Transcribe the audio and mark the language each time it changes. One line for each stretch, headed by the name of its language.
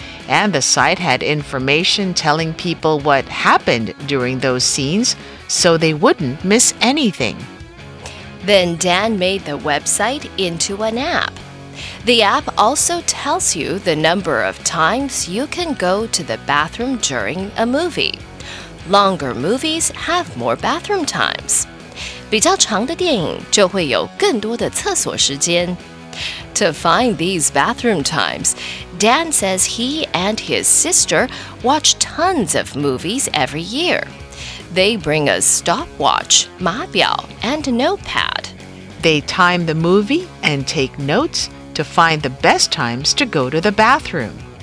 English: And the site had information telling people what happened during those scenes so they wouldn't miss anything. Then Dan made the website into an app. The app also tells you the number of times you can go to the bathroom during a movie. Longer movies have more bathroom times.
Chinese: 比较长的电影就会有更多的厕所时间。
English: To find these bathroom times, Dan says he and his sister watch tons of movies every year. They bring a stopwatch, 码表, and notepad. They time the movie and take notes to find the best times to go to the bathroom.